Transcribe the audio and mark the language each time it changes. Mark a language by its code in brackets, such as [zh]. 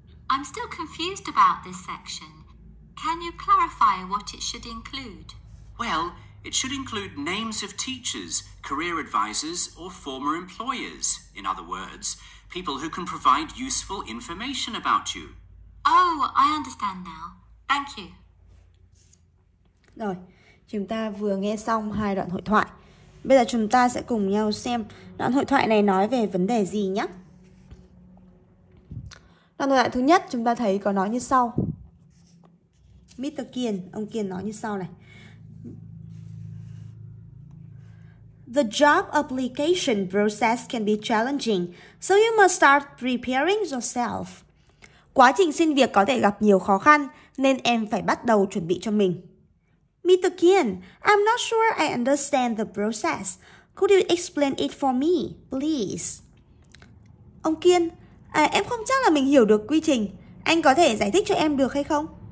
[en] I'm still confused about this section. Can you clarify what it should include? Well, it should include names of teachers, career advisors, or former employers. In other words, people who can provide useful information about you. Oh, I understand now. Thank you. [vi] Rồi, chúng ta vừa nghe xong hai đoạn hội thoại. Bây giờ chúng ta sẽ cùng nhau xem đoạn hội thoại này nói về vấn đề gì nhé. Đoạn hội thoại thứ nhất chúng ta thấy có nói như sau. Mr. Kiên, ông Kiên nói như sau này. [en] The job application process can be challenging, so you must start preparing yourself. [vi] Quá trình xin việc có thể gặp nhiều khó khăn, nên em phải bắt đầu chuẩn bị cho mình. [en] Mr. Kian, I'm not sure I understand the process. Could you explain it for me, please? [vi] Ông Kian, em không chắc là mình hiểu được quy trình. Anh có thể giải thích cho em được hay không?